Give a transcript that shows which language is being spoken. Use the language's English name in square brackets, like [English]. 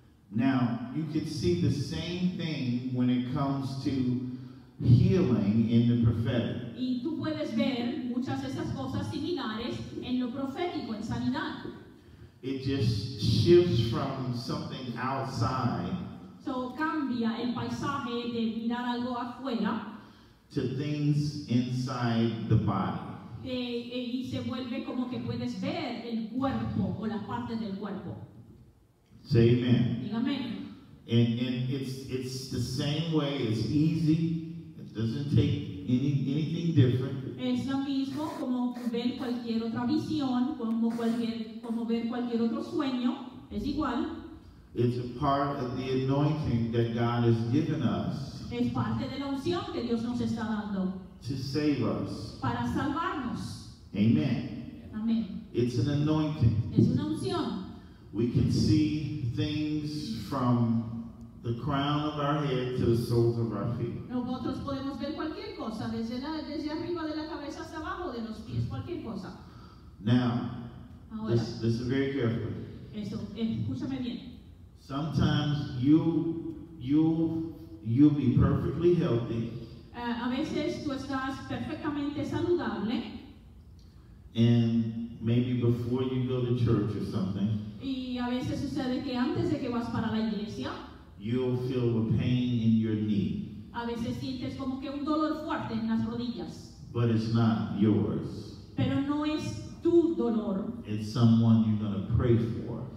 [English] Now, you can see the same thing when it comes to healing in the prophetic. [Spanish] Y tú puedes ver muchas de esas cosas similares en lo profético, en sanidad. [English] It just shifts from something outside. [Spanish] So cambia el paisaje de mirar algo afuera [English] to things inside the body. [Spanish] Y se vuelve como que puedes ver el cuerpo o la parte del cuerpo. [English] Say amen. [Spanish] Dígame. [English] And it's the same way. It's easy. It doesn't take anything different. [Spanish] Es lo mismo como ver cualquier otra visión, como ver cualquier otro sueño. Es igual. [English] It's a part of the anointing that God has given us. [Spanish] Es parte de la unción que Dios nos está dando. [English] To save us. [Spanish] Para salvarnos. Amen. Amen. [English] It's an anointing. [Spanish] Es una unción. [English] We can see things from the crown of our head to the soles of our feet. [Spanish] Nosotros podemos ver cualquier cosa desde arriba de la cabeza hasta abajo de los pies, cualquier cosa. [English] Now, [Spanish] ahora, [English] listen very carefully. [Spanish] Esto, escúchame bien. [English] Sometimes you'll be perfectly healthy. [Spanish] A veces tú estás perfectamente saludable. [English] And maybe before you go to church or something. [Spanish] Y a veces sucede que antes de que vas para la iglesia, [English] you'll feel a pain in your knee. [Spanish] A veces sientes como que un dolor fuerte en las rodillas. [English] But it's not yours. [Spanish] Pero no es tu dolor. [English] It's someone you're going to pray for.